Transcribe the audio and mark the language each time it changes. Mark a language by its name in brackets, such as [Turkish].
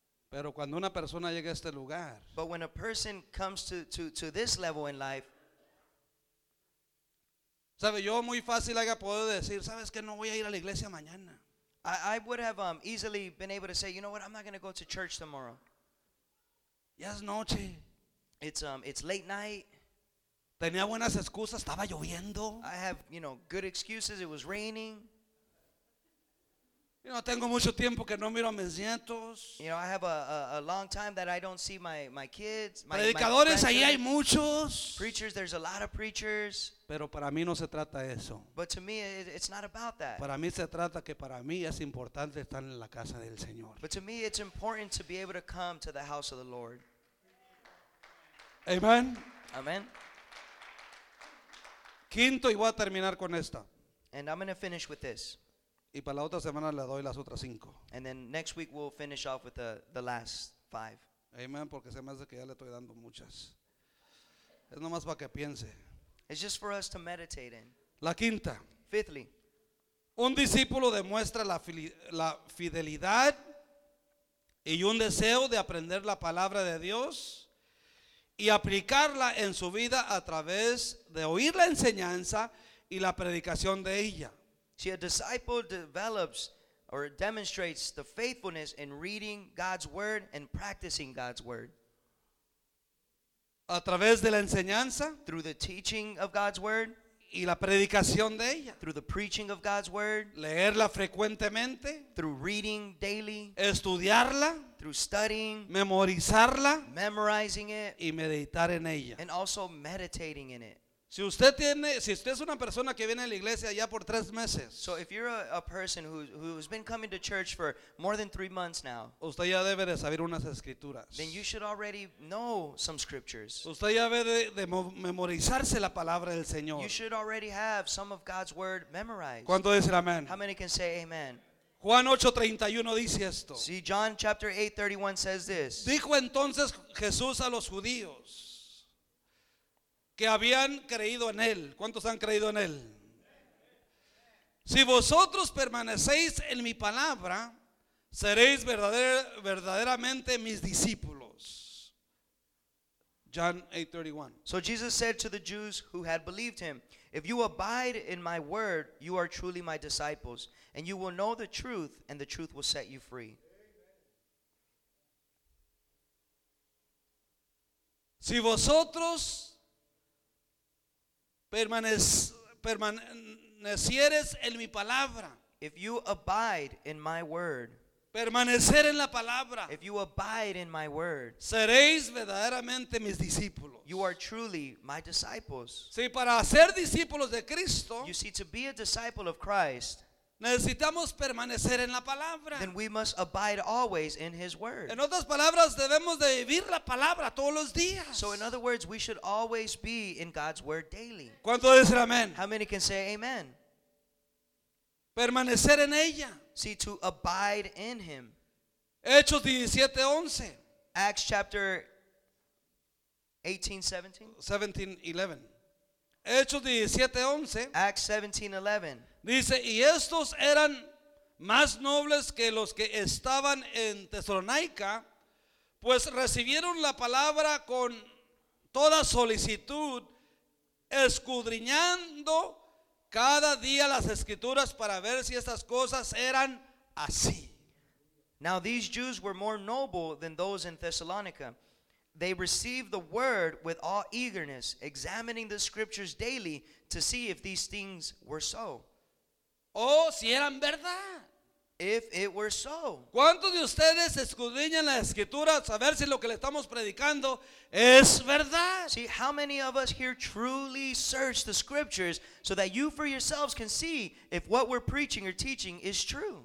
[Spanish] Pero cuando una persona llega a este lugar, [English] but when a person comes to this level in life, [Spanish] sabe, yo muy fácil haya podido decir, sabes que no voy a ir a la iglesia mañana. [English] I would have easily been able to say, you know what, I'm not going to go to church tomorrow. [Spanish] Ya es noche. [English] It's late night. [Spanish] Tenía buenas excusas, estaba lloviendo. [English] I have, you know, good excuses. It was raining. You know, [Spanish] tengo mucho tiempo que no miro a mis nietos. [English] You know, I have a long time that I don't see my kids. My, [Spanish] predicadores, ahí hay muchos. [English] Preachers, there's a lot of preachers. [Spanish] Pero para mí no se trata eso. [English] But to me, it's not about that. [Spanish] Para mí se trata que para mí es importante estar en la casa del Señor. [English] But to me, it's important to be able to come to the house of the Lord. [Spanish] Amen. [English] Amen. [Spanish] Quinto, y voy a terminar con esta. [English] And I'm going to finish with this. [Spanish] Y para la otra semana le doy las otras cinco. [English] And then next week we'll finish off with the last five. [Spanish] Amen, porque se me hace que ya le estoy dando muchas. Es nomás para que piense. [English] It's just for us to meditate in. [Spanish] La quinta. [English] Fifthly. [Spanish] Un discípulo demuestra la fidelidad y un deseo de aprender la palabra de Dios y aplicarla en su vida a través de oír la enseñanza y la predicación de ella. [English] See, a disciple develops or demonstrates the faithfulness in reading God's word and practicing God's word. [Spanish] A través de la enseñanza. [English] Through the teaching of God's word. [Spanish] Y la predicación de ella. [English] Through the preaching of God's word. [Spanish] Leerla frecuentemente. [English] Through reading daily. [Spanish] Estudiarla. [English] Through studying. [Spanish] Memorizarla. [English] Memorizing it. [Spanish] Y meditar en ella. [English] And also meditating in it. [Spanish] Si usted es una persona que viene a la iglesia ya por tres meses. [English] So if you're a person who has been coming to church for more than 3 months now. [Spanish] Usted ya debe de saber unas escrituras. [English] Then you should already know some scriptures. [Spanish] Usted ya debe de memorizarse la palabra del Señor. [English] You should already have some of God's word memorized. [Spanish] ¿Cuánto dice amén? [English] How many can say amen? [Spanish] Juan 8:31 dice esto. [English] See, John chapter 8:31 says this. [Spanish] Dijo entonces Jesús a los judíos que habían creído en él. ¿Cuántos han creído en él? Si vosotros permanecéis en mi palabra, seréis verdaderamente mis discípulos. [English] John 8:31. So Jesus said to the Jews who had believed him, if you abide in my word, you are truly my disciples, and you will know the truth, and the truth will set you free. [Spanish] Si vosotros permanecieres en mi palabra. [English] If you abide in my word. [Spanish] Permanecer en la palabra. [English] If you abide in my word. [Spanish] Seréis verdaderamente mis discípulos. [English] You are truly my disciples. [Spanish] Sí, para ser discípulos de Cristo. [English] You see, to be a disciple of Christ. [Spanish] Necesitamos permanecer en la palabra. [English] Then we must abide always in his word. [Spanish] En otras palabras, debemos de vivir la palabra todos los días. [English] So in other words, we should always be in God's word daily. [Spanish] ¿Cuánto dicen amén? [English] How many can say amen? [Spanish] Permanecer en ella. [English] See, to abide in him. [Spanish] Hechos 17:11. [English] Acts chapter 17:11. [Spanish] Hechos 17:11. [English] Acts 17:11. [Spanish] Dice, y estos eran más nobles que los que estaban en Tesalónica, pues recibieron la palabra con toda solicitud, escudriñando cada día las escrituras para ver si estas cosas eran así. [English] Now these Jews were more noble than those in Thessalonica. They received the word with all eagerness, examining the scriptures daily to see if these things were so. [Spanish] Oh, si eran verdad. [English] If it were so. [Spanish] ¿Cuántos de ustedes escudriñan la escritura a ver si lo que le estamos predicando es verdad? [English] See, how many of us here truly search the scriptures so that you for yourselves can see if what we're preaching or teaching is true?